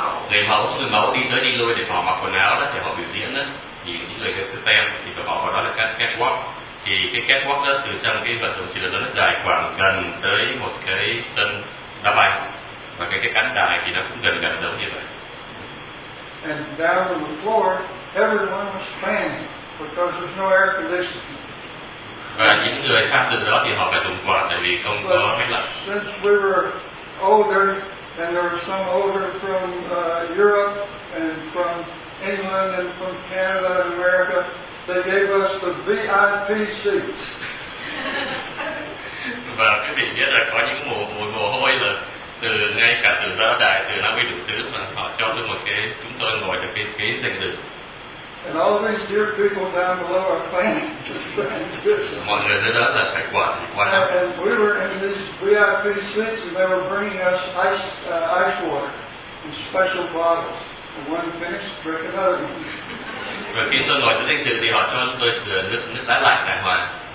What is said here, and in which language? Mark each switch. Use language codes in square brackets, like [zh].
[vi] Người mẫu đi tới đi lui để họ mặc quần áo đó, để họ biểu diễn đó. Thì những người theo system thì phải bảo họ đó là catwalk. Thì cái catwalk đó từ trong cái vật dụng trường đó nó dài khoảng gần tới một cái sân đá bay. Và cái khán đài thì nó cũng gần gần giống như vậy. [en] And down on the floor, everyone was fanning because there's no air conditioning. [vi] Và những người tham dự đó thì họ phải dùng quạt tại vì không [en] But [vi] có máy lạnh. [en] Since we were older and there were some older from Europe and from England and from Canada and America, they gave us the VIP seats. [vi] Và quý vị biết là có những mồ hôi là từ ngay cả từ giáo đài từ năm mươi đủ thứ mà họ cho được một cái chúng tôi ngồi được cái ghế danh dự. [en] And all these dear people down below are fanning. [vi] Mọi người dưới đó là phải quạt. [en] And we were in these VIP seats and they were bringing us ice water in special bottles. And one finished, drink another one. [vi] Và khi tôi ngồi dưới danh dự thì họ cho tôi nước đá lạnh đàng hoàng.